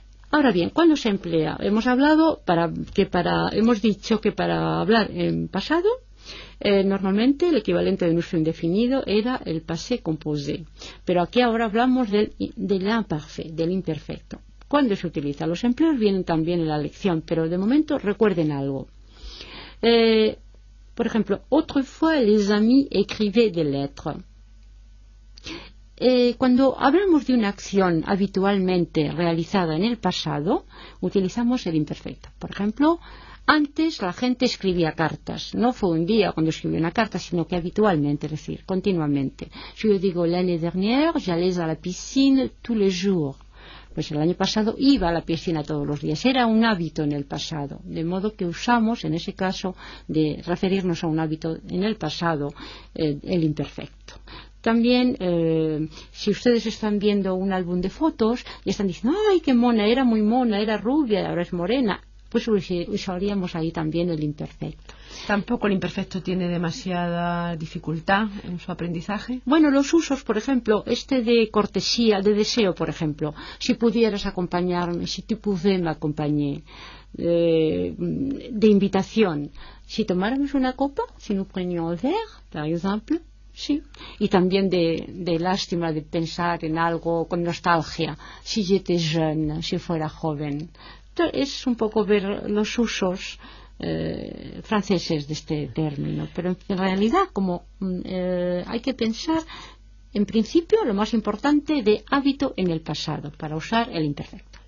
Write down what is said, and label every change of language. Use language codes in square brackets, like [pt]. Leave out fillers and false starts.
[es] Ahora bien, ¿cuándo se emplea? Hemos hablado hemos dicho que para hablar en pasado, normalmente el equivalente de nuestro indefinido era el passé composé. Pero aquí ahora hablamos del imparfait, del imperfecto. ¿Cuándo se utiliza? Los empleos vienen también en la lección, pero de momento recuerden algo. Por ejemplo, [fr] autrefois les amis écrivaient des lettres. [es] Cuando hablamos de una acción habitualmente realizada en el pasado, utilizamos el imperfecto. Por ejemplo, antes la gente escribía cartas. No fue un día cuando escribió una carta, sino que habitualmente, es decir, continuamente. Si yo digo [fr] l'année dernière, j'allais à la piscine tous les jours. [es] Pues el año pasado iba a la piscina todos los días. Era un hábito en el pasado. De modo que usamos, en ese caso, de referirnos a un hábito en el pasado, el imperfecto. También, si ustedes están viendo un álbum de fotos y están diciendo, ¡ay, qué mona! Era muy mona, era rubia, ahora es morena. Pues usaríamos ahí también el imperfecto. ¿Tampoco el imperfecto tiene demasiada dificultad en su aprendizaje? Bueno, los usos, por ejemplo, este de cortesía, de deseo, por ejemplo. Si pudieras acompañarme, [fr] si tu pouvais m'accompagner, [es] de invitación. Si tomáramos una copa, [fr] si nous prenions un verre, par exemple. [es] Sí, y también de lástima, de pensar en algo con nostalgia. [fr] Si j'étais jeune, [es] si fuera joven. Es un poco ver los usos franceses de este término, pero en realidad, como hay que pensar en principio lo más importante de hábito en el pasado para usar el imperfecto.